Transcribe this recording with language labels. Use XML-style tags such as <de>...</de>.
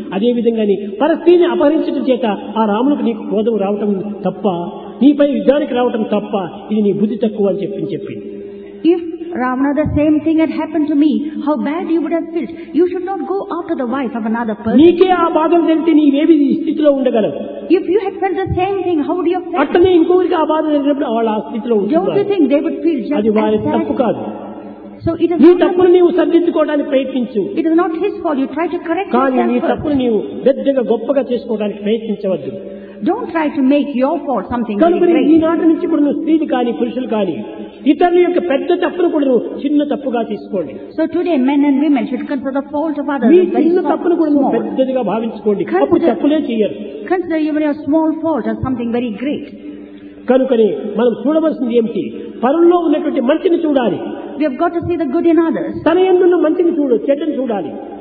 <te>అదేవిధంగా పరస్త్రీని అపహరించడం చేత ఆ రామునికి నీకు కోపం రావటం తప్ప, నీపై యుద్ధానికి రావటం తప్ప, ఇది నీ బుద్ధి తక్కువ అని చెప్పి చెప్పింది.</te> <en>If Ravana the same thing had happened to me, how bad you would have felt. You should not go after the wife of another person.</en> <te>నీకే ఆ బాధలు తెలిసితే నీ ఏవి ఈ స్థితిలో ఉండగలవు?</te> <en>If you had felt the same thing, how would you have felt?</en> <te>అట్లనే ఇంకొకరికి ఆ బాధ జరిగినప్పుడు వాళ్ళ ఆ స్థితిలో ఉంటారు.</te> <en>Don't you think they would feel just?</en> <te>అది వారి తప్పు కాదు.</te> <en>So it is</en> <te>నీ తప్పును నీవు సరిదిద్దుకోవడానికి ప్రయత్నించు.</te> <en>It is not his fault. You try to correct yourself.</en> <te>కానీ నీ తప్పును నీవు పెద్దగా గొప్పగా చేసుకోవడానికి ప్రయత్నించవద్దు.</te> <en>Don't try to make your fault something great.</en> <te>కనుక ఈ నాటి నుంచి కూడా నువ్వు స్త్రీలు కానీ పురుషులు కానీ ఇతరుల యొక్క పెద్ద తప్పును కూడా చిన్న తప్పుగా తీసుకోండి.</te> <en>So today men and women should consider the fault of others.</en> <te>చిన్న తప్పును కూడా పెద్దదిగా భావించుకోండి. తప్పు తప్పులే చేయరు.</te> <en>Consider even your small fault as something very great.</en> <te>కనుకని మనం చూడవలసింది ఏమిటి? పరంలో ఉన్నటువంటి మంచిని చూడాలి.</te> <en>We have got to see the good in others.</en> <te>తన యందున్న మంచిని చూడు, చెడ్డని చూడాలి.</te>